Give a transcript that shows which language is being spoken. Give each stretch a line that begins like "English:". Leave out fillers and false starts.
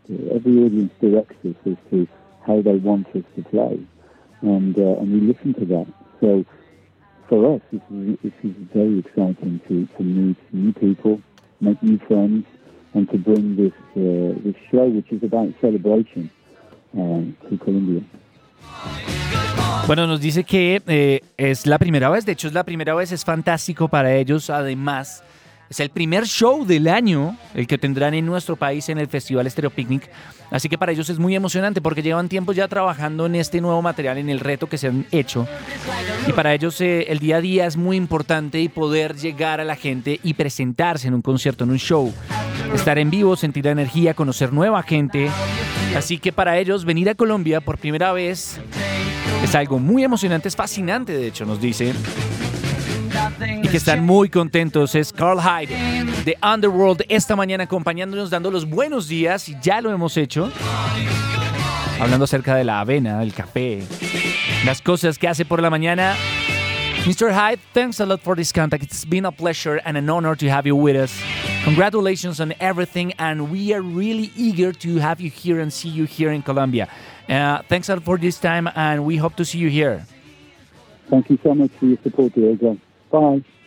English: Every audience directs us as to how they want us to play, and we listen to that. So for us, this is very exciting to meet new people, make new friends, and to bring this show, which is about celebration, to Colombia.
Spanish: Bueno, nos dice que es la primera vez, de hecho es la primera vez, es fantástico para ellos. Además, es el primer show del año el que tendrán en nuestro país en el Festival Estéreo Picnic. Así que para ellos es muy emocionante porque llevan tiempo ya trabajando en este nuevo material, en el reto que se han hecho. Y para ellos el día a día es muy importante, y poder llegar a la gente y presentarse en un concierto, en un show. Estar en vivo, sentir la energía, conocer nueva gente. Así que para ellos venir a Colombia por primera vez es algo muy emocionante, es fascinante, de hecho, nos dice. Y que están muy contentos. Es Carl Hyde de Underworld esta mañana acompañándonos, dando los buenos días, y ya lo hemos hecho. Hablando acerca de la avena, el café, las cosas que hace por la mañana.
English: Mr. Hyde, thanks a lot for this contact. It's been a pleasure and an honor to have you with us. Congratulations on everything, and we are really eager to have you here and see you here in Colombia. Thanks a lot for this time, and we hope to see you here. Thank you so much for your support, Diego. Bye.